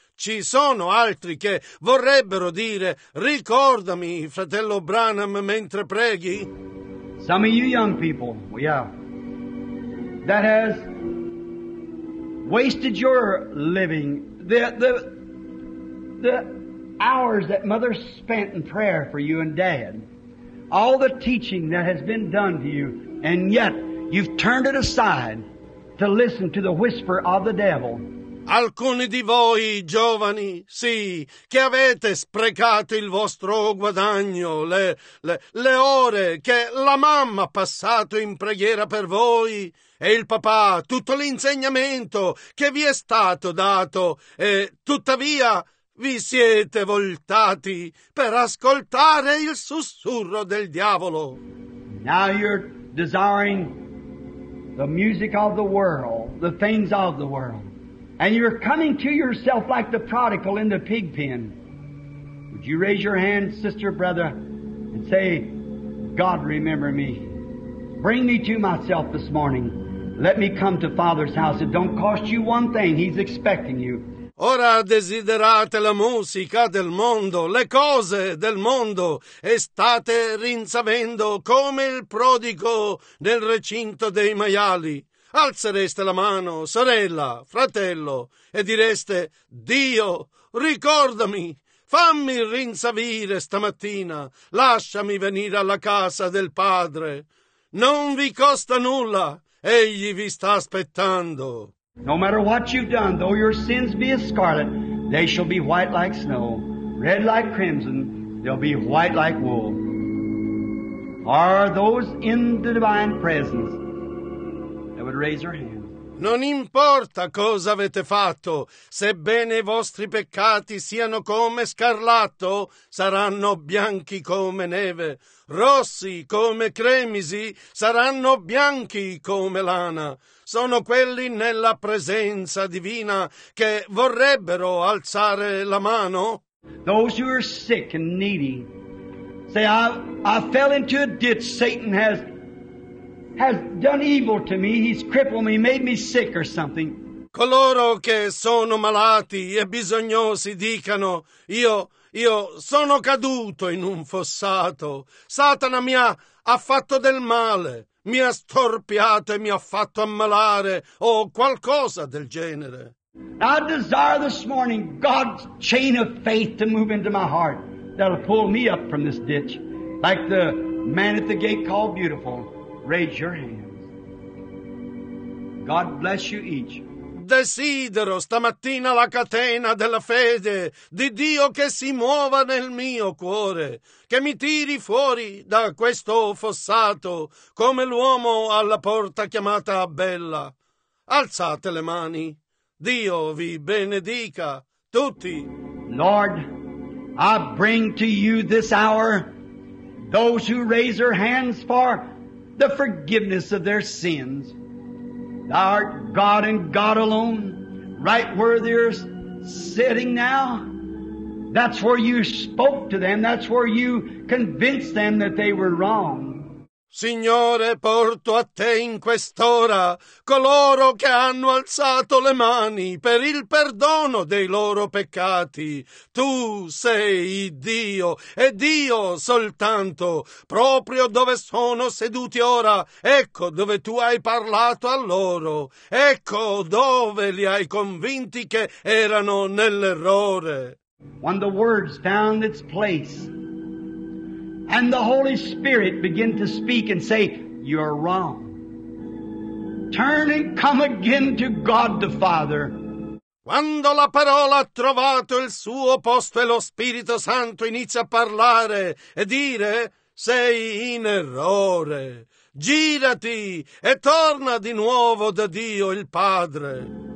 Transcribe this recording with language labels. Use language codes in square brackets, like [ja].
[it] Ci sono altri che vorrebbero dire, ricordami, fratello Branham, mentre preghi? [en] Some of you young people, yeah, that has wasted your living, the hours that mother spent in prayer for you and dad, all the teaching that has been done to you, and yet you've turned it aside to listen to the whisper of the devil. [it] Alcuni di voi, giovani, sì, che avete sprecato il vostro guadagno, le ore che la mamma ha passato in preghiera per voi, e il papà, tutto l'insegnamento che vi è stato dato, e tuttavia vi siete voltati per ascoltare il sussurro del diavolo. [en] Now you're desiring the music of the world, the things of the world, and you're coming to yourself like the prodigal in the pig pen. Would you raise your hand, sister, brother, and say, God, remember me. Bring me to myself this morning. Let me come to Father's house. It don't cost you one thing. He's expecting you. [it] Ora desiderate la musica del mondo, le cose del mondo, e state rinsavendo come il prodigo nel recinto dei maiali. Alzereste la mano, sorella, fratello, e direste, Dio, ricordami, fammi rinsavire stamattina, lasciami venire alla casa del Padre. Non vi costa nulla. Egli vi sta aspettando. [en] No matter what you've done, though your sins be as scarlet, they shall be white like snow. Red like crimson, they'll be white like wool. Are those in the divine presence that would raise their hand? [it] Non importa cosa avete fatto, sebbene i vostri peccati siano come scarlatto, saranno bianchi come neve. Rossi come cremisi, saranno bianchi come lana. Sono quelli nella presenza divina che vorrebbero alzare la mano. [en] Those who are sick and needy, say, I fell into a ditch. Satan has done evil to me. He's crippled me, made me sick or something. [it] Coloro che sono malati e bisognosi dicano, Io sono caduto in un fossato. Satana mi ha fatto del male. Mi ha storpiato e mi ha fatto ammalare. O qualcosa del genere. [en] I desire this morning God's chain of faith to move into my heart. That'll pull me up from this ditch. Like the man at the gate called beautiful. Raise your hands. God bless you each. [it] Desidero stamattina la catena della fede di Dio che si muova nel mio cuore, che mi tiri fuori da questo fossato come l'uomo alla porta chiamata Bella. Alzate le mani. Dio vi benedica tutti. [en] Lord, I bring to you this hour those who raise their hands for the forgiveness of their sins. Thou art God and God alone, right where there's sitting now, that's where you spoke to them, that's where you convinced them that they were wrong. [it] Signore, porto a te in quest'ora coloro che hanno alzato le mani per il perdono dei loro peccati. Tu sei Dio, e Dio soltanto, proprio dove sono seduti ora, ecco dove tu hai parlato a loro, ecco dove li hai convinti che erano nell'errore. [en] When the words found its place, and the Holy Spirit begin to speak and say, you're wrong. Turn and come again to God the Father. [it] Quando la parola ha trovato il suo posto e lo Spirito Santo inizia a parlare e dire, sei in errore. Girati e torna di nuovo da Dio il Padre.